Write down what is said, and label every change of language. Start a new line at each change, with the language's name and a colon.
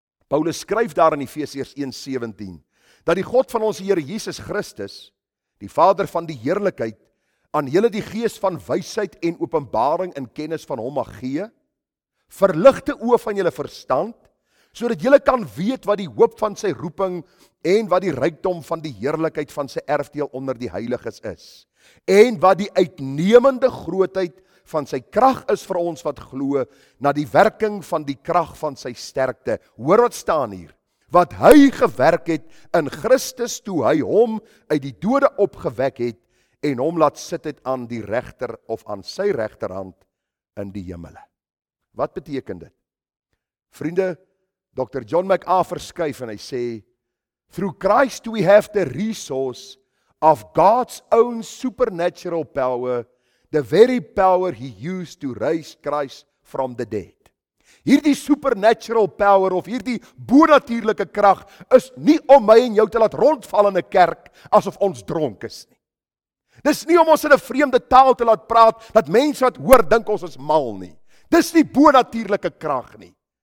Afrikaans: Paulus skryf daar in Efesiërs 1 17 dat die God van ons Here Jesus Christus, die Vader van die heerlikheid, aan julle die gees van wysheid en openbaring in kennis van hom mag gee, verligte oë van julle verstand, sodat julle kan weet wat die hoop van sy roeping en wat die rykdom van die heerlikheid van sy erfdeel onder die heiliges is, en wat die uitnemende grootheid van sy krag is vir ons wat glo, na die werking van die krag van sy sterkte. Hoor wat staan hier, wat hy gewerk het in Christus toe hy hom uit die dode opgewek het en hom laat sit het aan die regter of aan sy regterhand in die hemele. Wat beteken dit? Vriende, Dr.
English: John MacArthur
Afrikaans: verskuif en hy sê,
English: through Christ we have the resource of God's own supernatural power, the very power he used to raise Christ from the dead.
Afrikaans: Hierdie
English: supernatural power
Afrikaans: of hierdie bonatuurlike krag is nie om my en jou te laat rondval in 'n kerk asof ons dronk is nie. Dis nie om ons in 'n vreemde taal te laat praat dat mense wat hoor dink ons is mal nie. Dis nie bonatuurlike krag nie.